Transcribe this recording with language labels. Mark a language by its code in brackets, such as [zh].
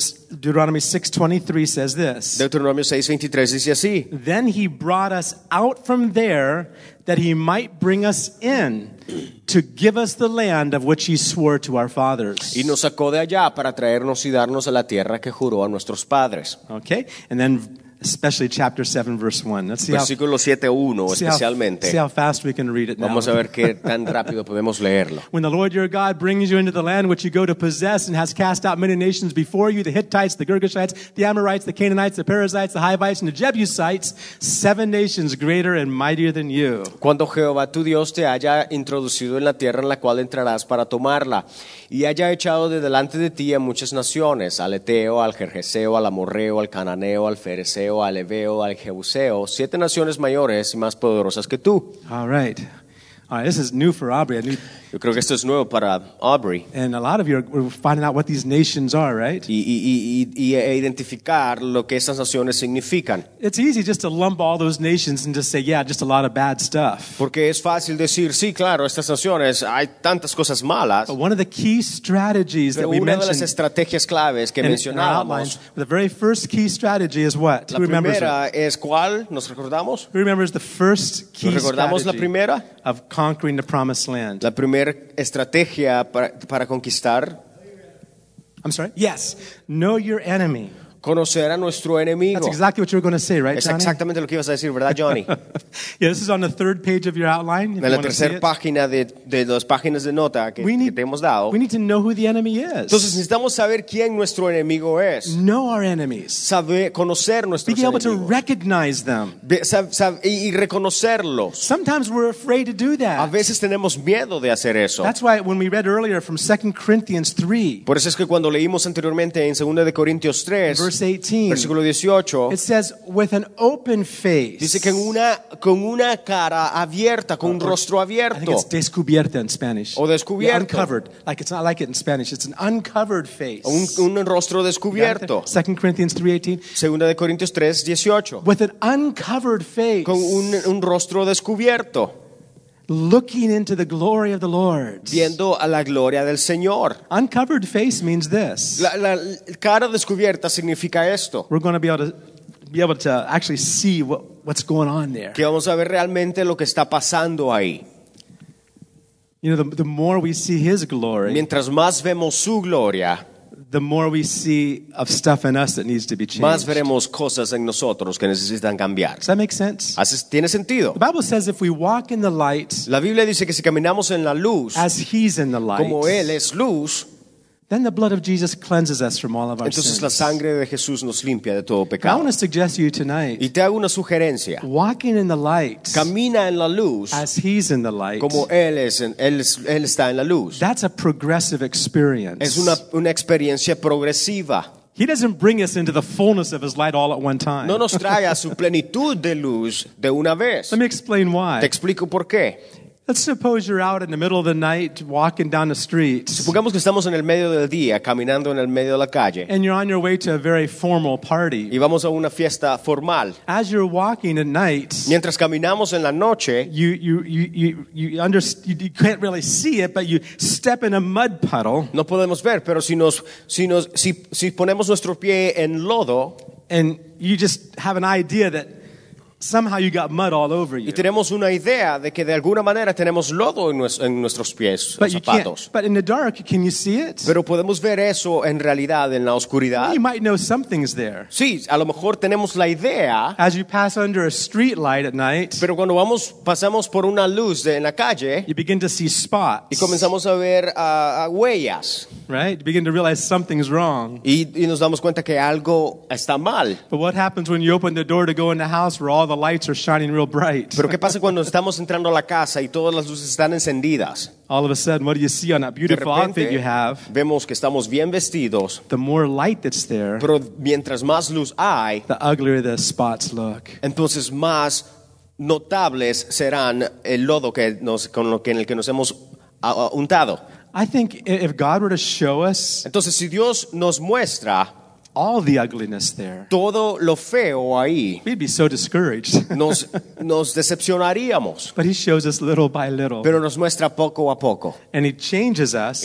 [en] Deuteronomy 6:23 says this. [es] Deuteronomio 6:23 dice así. [en] Then he brought us out from there that he might bring us in to give us the land of which he swore to our fathers. [es] Y nos sacó de allá para traernos y darnos a la tierra que juró a nuestros padres. [en] Okay? And then especially chapter 7 verse 1. Let's see. [es] Versículo 7:1 especialmente. [en] See how fast we can read it now. [es] Vamos a ver qué tan rápido podemos leerlo. [en] When the Lord your God brings you into the land which you go to possess and has cast out many nations before you, the Hittites, the Girgashites, the Amorites, the Canaanites, the Perizzites, the Hivites and the Jebusites, seven nations greater and mightier than you. [es] Cuando Jehová tu Dios te haya introducido en la tierra en la cual entrarás para tomarla y haya echado de delante de ti a muchas naciones, al Eteo, al Jerjeseo, al Amorreo, al Cananeo, al Fereseo, al Eveo, al Jebuseo, siete naciones mayores y más poderosas que tú. [en] All right, this is new for Aubrey. [es] Yo creo que esto es nuevo para Aubrey. [en] And a lot of you are finding out what these nations are, right? [es] Y identificar lo que esas naciones significan. [en] It's easy just to lump all those nations and just say, yeah, just a lot of bad stuff. [es] Porque es fácil decir, sí, claro, estas naciones, hay tantas cosas malas. [en] But one of the key strategies [es] Pero [en] that we mentioned. [es] Una de las estrategias claves que mencionábamos. [en] The very first key strategy is what? [es] La primera es ¿cuál? ¿Nos recordamos? [en] Who remembers the first key [es] recordamos [en] strategy [es] la primera? [en] Of conquering the promised land? [es] La primera estrategia para conquistar. [en] I'm sorry? Yes. Know your enemy. [es] Conocer a nuestro enemigo. [en] That's exactly what you were going to say, right, Johnny? [es] Es exactamente lo que ibas a decir, ¿verdad, Johnny? [en] Yeah, this is on the third page of your outline. [es] En la tercera página de las páginas de nota que te hemos dado. [en] We need to know who the enemy is. [es] Entonces necesitamos saber quién nuestro enemigo es. [en] Know our enemies. [es] Saber, conocer nuestros enemigos. [en] Be able to recognize them. [es] Y reconocerlos. [en] Sometimes we're afraid to do that. [es] A veces tenemos miedo de hacer eso. [en] That's why when we read earlier from 2 Corinthians 3. [es] Por eso es que cuando leímos anteriormente en 2 de Corintios 3. Versículo 18. [en] It says with an open face. [es] Dice que con una cara abierta, con un rostro abierto. [en] I think it's descubierta in Spanish. [es] O descubierto. [en] Yeah, uncovered. Like it's not like it in Spanish. It's an uncovered face. [es] Un rostro descubierto. [en] 2 Corinthians 3:18. [es] Segunda de Corintios 3:18. [en] With an uncovered face. [es] Con un rostro descubierto. [en] Looking into the glory of the Lord. [es] Viendo a la gloria del Señor. [en] Uncovered face means this. [es] La cara descubierta significa esto. [en] We're going to be able to actually see what's going on there. [es] Que vamos a ver realmente lo que está pasando ahí. [en] You know, the more we see His glory. [es] Mientras más vemos su gloria. [en] The more we see of stuff in us that needs to be changed. [es] Más veremos cosas en nosotros que necesitan cambiar. [en] Does that make sense? [es] ¿Tiene sentido? [en] The Bible says if we walk in the light. [es] La Biblia dice que si caminamos en la luz. [en] As He's in the light. [es] Como Él es luz. [en] Then the blood of Jesus cleanses us from all of our [es] Entonces, [en] sins. [es] La sangre de Jesús nos limpia de todo pecado. [en] I want to suggest to you tonight. [es] Y te hago una sugerencia. [en] Walking in the light. [es] Camina en la luz. [en] As He's in the light. [es] Como él está en la luz. [en] That's a progressive experience. [es] Es una experiencia progresiva. [en] He doesn't bring us into the fullness of His light all at one time. [es] No nos trae a su plenitud de luz de una vez. [en] Let me explain why. [es] Te explico por qué. [en] Let's suppose you're out in the middle of the night walking down the street. [es] Supongamos que estamos en el medio del día caminando en el medio de la calle. [en] And you're on your way to a very formal party. [es] Y vamos a una fiesta formal. [en] As you're walking at night, [es] mientras caminamos en la noche, [en] you can't really see it, but you step in a mud puddle. [es] No podemos ver, pero si ponemos nuestro pie en lodo, [en] and you just have an idea that somehow you got mud all over you. [es] Y tenemos una idea de que de alguna manera tenemos lodo en nuestros pies, [en] but [es] zapatos. [en] But in the dark, can you see it? [es] Pero podemos ver eso en realidad en la oscuridad. [en] You might know something's there. [es] Sí, a lo mejor tenemos la idea. [en] As you pass under a street light at night. [es] Pero cuando pasamos por una luz en la calle. [en] You begin to see spots. [es] Y comenzamos a ver huellas. [en] Right? You begin to realize something's wrong. [es] Y nos damos cuenta que algo está mal. [en] But what happens when you open the door to go in the house where all the lights are shining real bright. [es] Pero qué pasa cuando estamos entrando a la casa y todas las luces están encendidas? [en] All of a sudden, what do you see on that beautiful outfit you have? [es] Vemos que estamos bien vestidos. [en] The more light that's there, [es] pero mientras más luz hay, [en] the uglier the spots look. [es] Entonces más notables serán el lodo en el que nos hemos untado. [en] I think if God were to show us, [es] entonces si Dios nos muestra [en] all the ugliness there. [es] Todo lo feo ahí. [en] We'd be so discouraged. [es] nos decepcionaríamos. [en] But he shows us little by little. [es] Pero nos muestra poco a poco. [en] And he changes us.